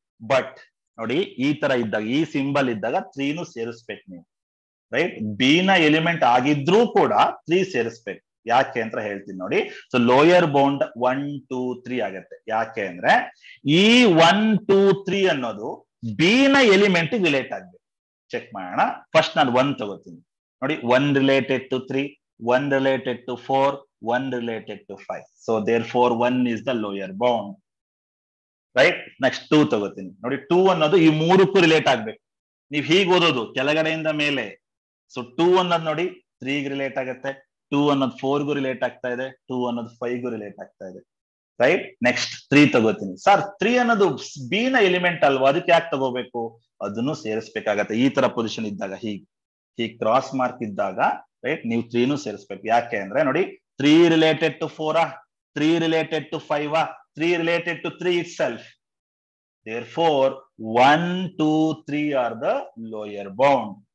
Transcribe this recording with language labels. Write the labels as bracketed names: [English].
[Kannada] But ನೋಡಿ, ಈ ತರ ಇದ್ದಾಗ, ಈ ಸಿಂಬಲ್ ಇದ್ದಾಗ 3 ಸೇರಿಸ್ಬೇಕು ನೀವು, ರೈಟ್. ಬಿನ ಎಲಿಮೆಂಟ್ ಆಗಿದ್ರೂ ಕೂಡ 3 ಸೇರಿಸ್ಬೇಕು. ಯಾಕೆ ಅಂತ ಹೇಳ್ತೀನಿ ನೋಡಿ. ಸೊ ಲೋಯರ್ ಬೌಂಡ್ 1, 2, 3 ಆಗತ್ತೆ. ಯಾಕೆ ಅಂದ್ರೆ ಈ 1, 2, 3 ಅನ್ನೋದು ಬಿನ ಎಲಿಮೆಂಟ್ ರಿಲೇಟ್ ಆಗಿದೆ. ಚೆಕ್ ಮಾಡೋಣ. [English] First ನಾನು 1 ತಗೋತೀನಿ ನೋಡಿ, 1 related to 3, 1 related to 4, 1 related to 5. So therefore 1 is the lower bound, right. [Kannada] Next 2 ತಗೋತೀನಿ ನೋಡಿ, 2 ಅನ್ನೋದು ಈ ಮೂರಕ್ಕೂ ರಿಲೇಟ್ ಆಗ್ಬೇಕು. ನೀವ್ ಹೀಗ್ ಓದೋದು ಕೆಳಗಡೆಯಿಂದ ಮೇಲೆ. ಸೊ 2 ಅನ್ನೋದು ನೋಡಿ 3 ರಿಲೇಟ್ ಆಗತ್ತೆ, 2 ಅನ್ನೋದು 4 ರಿಲೇಟ್ ಆಗ್ತಾ ಇದೆ, 2 ಅನ್ನೋದು 5 ರಿಲೇಟ್ ಆಗ್ತಾ ಇದೆ, ರೈಟ್. ನೆಕ್ಸ್ಟ್ 3 ತಗೋತೀನಿ. ಸರ್, 3 ಅನ್ನೋದು ಬಿನ ಎಲಿಮೆಂಟ್ ಅಲ್ವಾ, ಅದಕ್ಕೆ ಯಾಕೆ ತಗೋಬೇಕು? ಅದನ್ನು ಸೇರಿಸ್ಬೇಕಾಗತ್ತೆ ಈ ತರ ಪೊಸಿಷನ್ ಇದ್ದಾಗ. ಹೀಗ್ ಕ್ರಾಸ್ ಮಾರ್ಕ್ ಇದ್ದಾಗ ರೈಟ್ ನೀವು 3 ಸೇರಿಸ್ಬೇಕು. [English] ಯಾಕೆ ಅಂದ್ರೆ ನೋಡಿ, 3 related to 4, 3 related to 5, 3 related to 3 itself. Therefore, 1, 2, 3 are the lower bound.